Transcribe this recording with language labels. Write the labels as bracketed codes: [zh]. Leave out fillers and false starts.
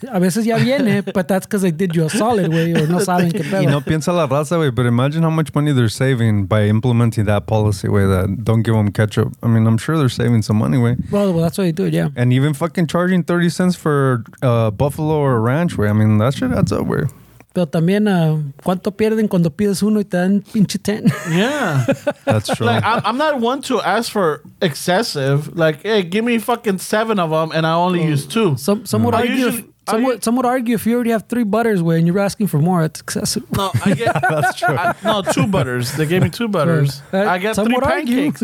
[es] A veces ya viene, [en] but that's because they did you a solid, güey, or [es] no saben qué pedo. Y no piensa la raza, [en] güey, but imagine how much money they're saving by implementing that policy, güey, that don't give them ketchup. I mean, I'm sure they're saving some money, güey. Well, that's what they do, yeah. And even fucking charging 30 cents for buffalo or a ranch, güey. I mean, that shit adds up, güey. [es] Pero también, ¿cuánto pierden cuando pides uno y te dan pinche 10? [en] Yeah. That's true. Like, I'm not one to ask for excessive. Like, hey, give me fucking 7 of them and I only use 2. Some would argue if you already have 3 butters, when you're asking for more, that's excessive. No, I get, that's true. No, 2 butters. They gave me 2 butters. I got 3 pancakes.